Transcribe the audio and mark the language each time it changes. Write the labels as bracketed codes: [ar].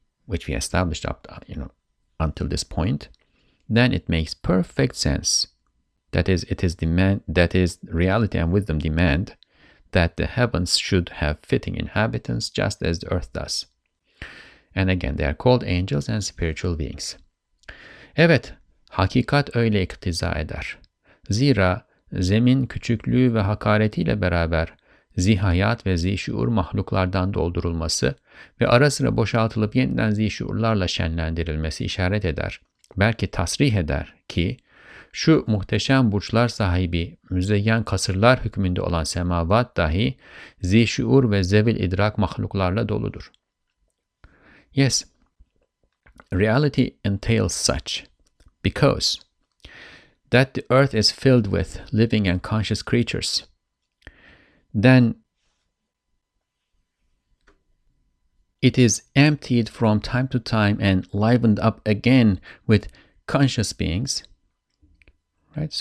[en] which we established up, you know, until this point, then it makes perfect sense. That is, it is demand, that is, reality and wisdom demand that the heavens should have fitting inhabitants just as the earth does. And again, they are called angels and spiritual beings. [tr] Evet, hakikat öyle iktiza eder. Zira zemin küçüklüğü ve hakaretiyle beraber zihayat ve zişuur mahluklardan doldurulması ve ara sıra boşaltılıp yeniden zişuurlarla şenlendirilmesi işaret eder. Belki tasrih eder ki, şu muhteşem burçlar sahibi müzeyyen kasırlar hükmünde olan semavat dahi zişuur ve zevil idrak mahluklarla doludur. [en] Yes, reality entails such, because that the earth is filled with living and conscious creatures, then it is emptied from time to time and livened up again with conscious beings, right?